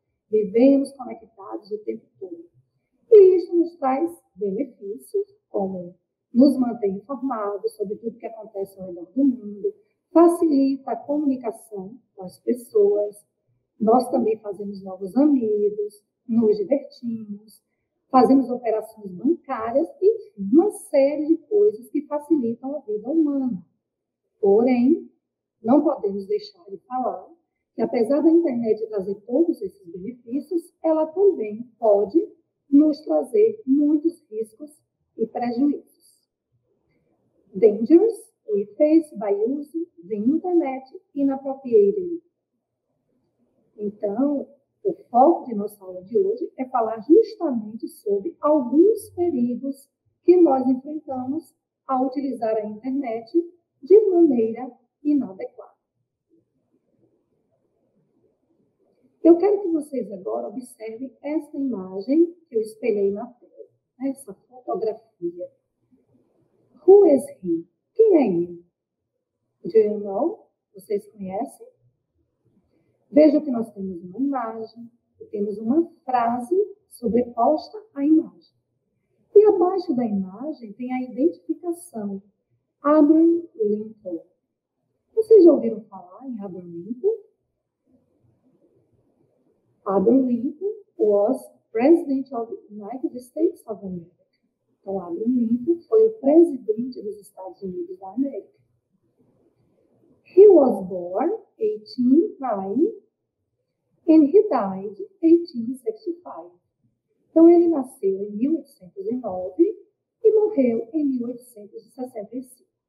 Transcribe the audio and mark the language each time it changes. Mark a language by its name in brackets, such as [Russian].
[Portuguese] Vivemos conectados o tempo todo. E isso nos traz benefícios, como nos manter informados sobre tudo que acontece ao redor do mundo, facilita a comunicação com as pessoas, nós também fazemos novos amigos, nos divertimos, fazemos operações bancárias, enfim, uma série de coisas que facilitam a vida humana. Porém, não podemos deixar de falar que apesar da internet trazer todos esses benefícios, ela também pode nos trazer muitos riscos e prejuízos. [English] Dangers we face by using the internet inappropriately. [Portuguese] Então, o foco de nossa aula de hoje é falar justamente sobre alguns perigos que nós enfrentamos ao utilizar a internet de maneira inadequada. Eu quero que vocês agora observem essa imagem que eu espelhei na tela, essa fotografia. [English] Who is he? [Portuguese] Quem é ele? [English] Do you know? [Portuguese] Vocês conhecem? Veja que nós temos uma imagem e temos uma frase sobreposta à imagem. E abaixo da imagem tem a identificação, Abraham Lincoln. Vocês já ouviram falar em Abraham Lincoln? [English] Abraham Lincoln was president of the United States of America. [Portuguese] Então, Abraham Lincoln foi o presidente dos Estados Unidos da América. [English] He was born 1809 and he died 1865. [Portuguese] Então, ele nasceu em 1809 e morreu em 1865.